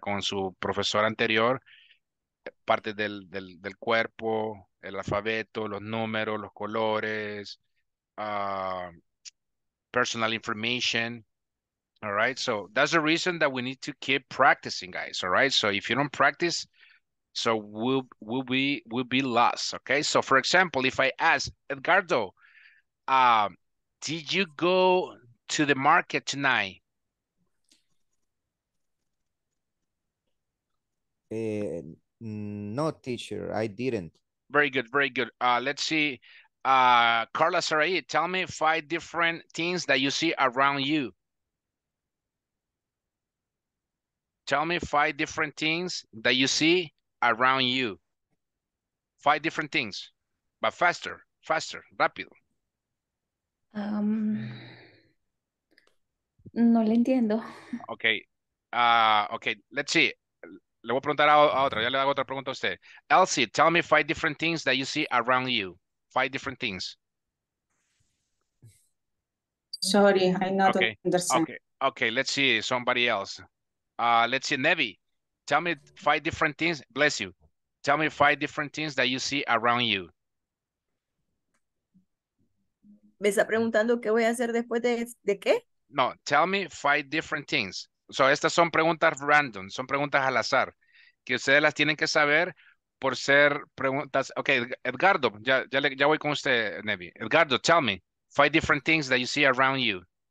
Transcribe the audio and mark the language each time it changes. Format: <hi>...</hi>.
<es>Con su profesor anterior, parte del cuerpo, el alfabeto, los números, los colores,</es> <en>personal information, all right? So that's the reason that we need to keep practicing, guys, all right? So if you don't practice, so we'll be lost, okay? So for example, if I ask, Edgardo, did you go to the market tonight? No, teacher, I didn't. Very good, very good. Let's see. Carla Sarai, tell me five different things that you see around you. Tell me five different things that you see around you. Five different things, but faster, faster, rápido.</en> <es>No le entiendo.</es> <en>Okay. Okay, let's see.</en> <es>Le voy a preguntar a otra, ya le hago otra pregunta a usted.</es> <en>Elsie, tell me five different things that you see around you. Five different things. Sorry, I not okay. Understand. Okay, let's see somebody else. Let's see, Nevi, tell me five different things, bless you. Tell me five different things that you see around you.</en> <es>¿Me está preguntando qué voy a hacer después de qué?</es> <en>No, tell me five different things.</en> <es>So, estas son preguntas random, son preguntas al azar, que ustedes las tienen que saber por ser preguntas. Okay, Edgardo, ya voy con usted, Nevi.</es> <en>Edgardo, tell me five different things that you see around you.</en>